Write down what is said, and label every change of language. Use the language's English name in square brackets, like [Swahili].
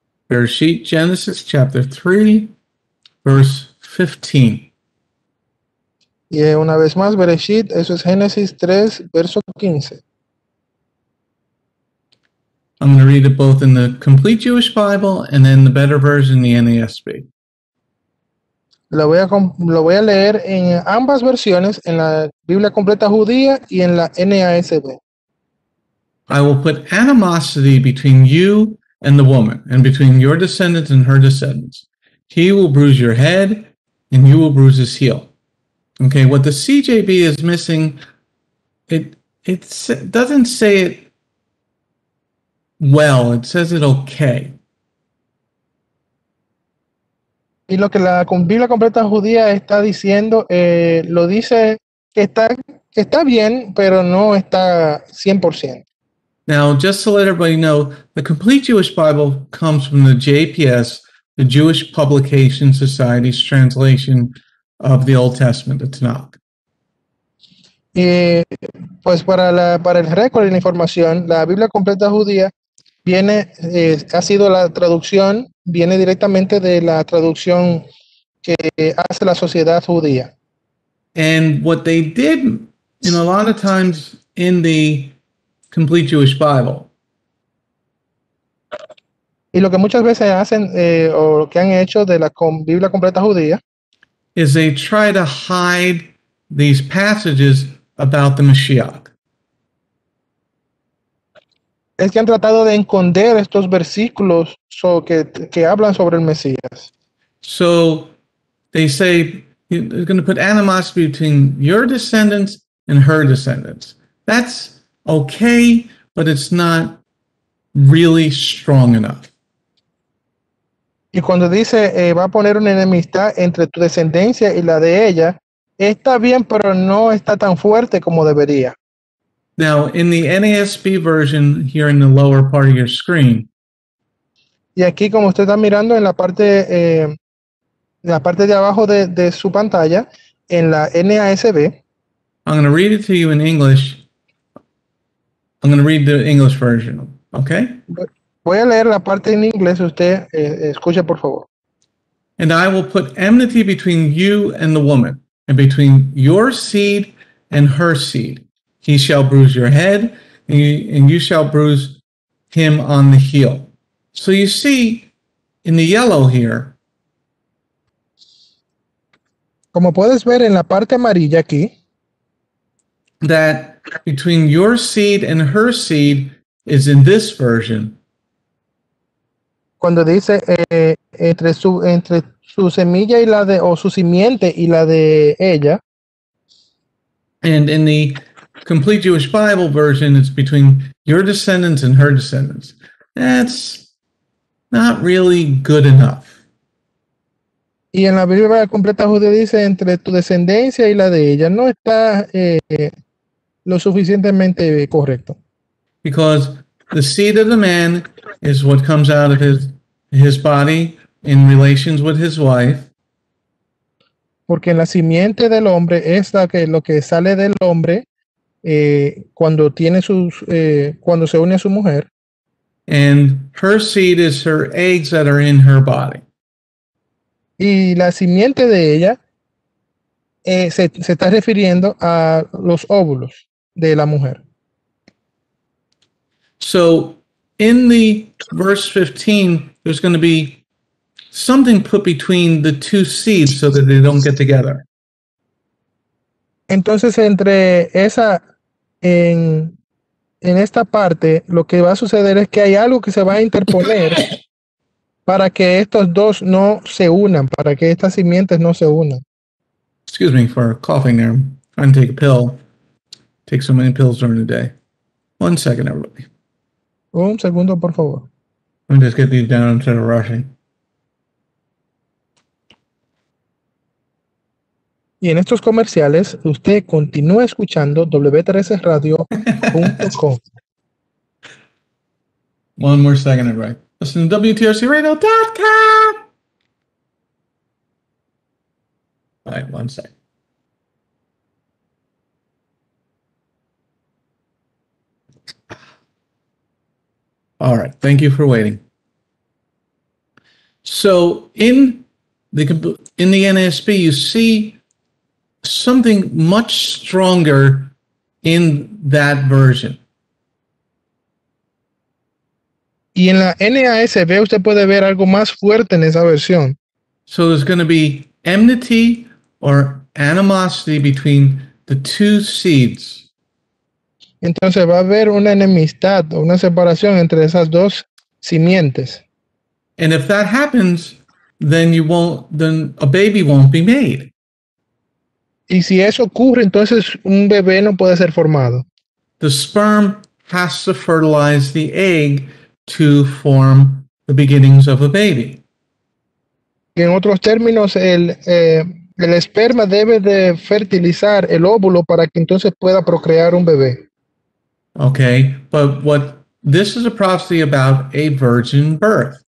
[English] Bereshit, Genesis, chapter 3, verse 15. [Spanish] Y una vez más, Bereshit, eso es Génesis 3, verso 15. [English] I'm going to read it both in the Complete Jewish Bible and then the better version, the NASB. [Spanish] Lo voy a leer en ambas versiones, en la Biblia completa judía y en la NASB. [English] I will put animosity between you and the woman, and between your descendants and her descendants. He will bruise your head, and you will bruise his heel. Okay, what the CJB is missing, it doesn't say it well, it says it okay. [Spanish] Y lo que la Biblia completa judía está diciendo, lo dice que está bien, pero no está 100%. [English] Now, just to let everybody know, the Complete Jewish Bible comes from the JPS, the Jewish Publication Society's translation of the Old Testament, the Tanakh. [Spanish] Y pues para el récord y la información, la Biblia completa judía viene, ha sido la traducción, viene directamente de la traducción que hace la sociedad judía. [English] And what they did in a lot of times in the Complete Jewish Bible. [Spanish] Y lo que muchas veces hacen, o lo que han hecho de la Biblia completa judía. [English] Is they try to hide these passages about the Mashiach. [Spanish] Es que han tratado de esconder estos versículos que hablan sobre el Mesías. [English] So they say they're going to put animosity between your descendants and her descendants. That's okay, but it's not really strong enough. [Spanish] Y cuando dice va a poner una enemistad entre tu descendencia y la de ella, está bien, pero no está tan fuerte como debería. [English] Now, in the NASB version here in the lower part of your screen. [Spanish] Y aquí, como usted está mirando en la parte de abajo de su pantalla, en la NASB. [English] I'm going to read it to you in English. I'm going to read the English version, okay? [Spanish] Voy a leer la parte en inglés. Usted escuche, por favor. [English] And I will put enmity between you and the woman, and between your seed and her seed. He shall bruise your head, and you shall bruise him on the heel. So you see, in the yellow here. [Spanish] Como puedes ver en la parte amarilla aquí. [English] That between your seed and her seed is in this version. [Spanish] Cuando dice entre su semilla y la de, o su simiente y la de ella. [English] And in the Complete Jewish Bible version, it's between your descendants and her descendants. That's not really good enough. [Spanish] Y en la Biblia completa judía dice entre tu descendencia y la de ella. No está lo suficientemente correcto. [English] Because the seed of the man is what comes out of his body in relations with his wife. [Spanish] Porque la simiente del hombre es lo que sale del hombre cuando tiene sus cuando se une a su mujer. [English] And her seed is her eggs that are in her body. [Spanish] Y la simiente de ella se está refiriendo a los óvulos de la mujer. [English] So in the verse 15, there's going to be something put between the two seeds so that they don't get together. [Spanish] Entonces, entre esa, en esta parte, lo que va a suceder es que hay algo que se va a interponer para que estos dos no se unan, para que estas simientes no se unan. [English] Excuse me for coughing there. I'm trying to take a pill. Take so many pills during the day. One second, everybody. [Spanish] Un segundo, por favor. [English] Let me just get these down instead of rushing. [Spanish] Y en estos comerciales, usted continúa escuchando W13Radio.com. [English] One more second, everybody. Listen to WTRCRadio.com. All right, one second. All right, thank you for waiting. So in the NASB, you see something much stronger in that version. [Spanish] Y en la NASB usted puede ver algo más fuerte en esa versión. [English] So there's going to be enmity or animosity between the two seeds. [Spanish] Entonces va a haber una enemistad o una separación entre esas dos simientes. [English] And if that happens, then a baby won't be made. [Spanish] Y si eso ocurre, entonces un bebé no puede ser formado. [English] The sperm has to fertilize the egg to form the beginnings of a baby. [Spanish] Y en otros términos, el esperma debe de fertilizar el óvulo para que entonces pueda procrear un bebé. [English] Okay, but what this is a prophecy about a virgin birth.